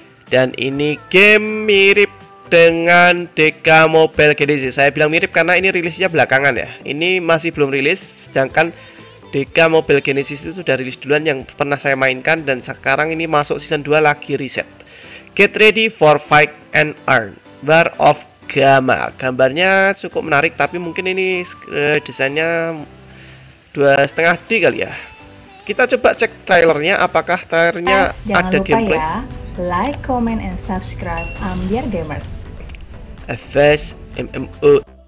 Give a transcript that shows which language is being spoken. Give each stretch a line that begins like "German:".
Indonesian: Dan ini game mirip dengan DK Mobile Genesis. Saya bilang mirip karena ini rilisnya belakangan ya. Ini masih belum rilis, sedangkan DK Mobile Genesis itu sudah rilis duluan yang pernah saya mainkan, dan sekarang ini masuk season 2 lagi reset.
English: Get ready for fight and earn. War of Gamma.
Indonesian: Gambarnya cukup menarik, tapi mungkin ini desainnya 2,5D kali ya. Kita coba cek trailernya, apakah trailernya ada gameplay. Jangan lupa ya,
English: like, comment, and subscribe
Indonesian: Ambiar Gamers. FS MMO.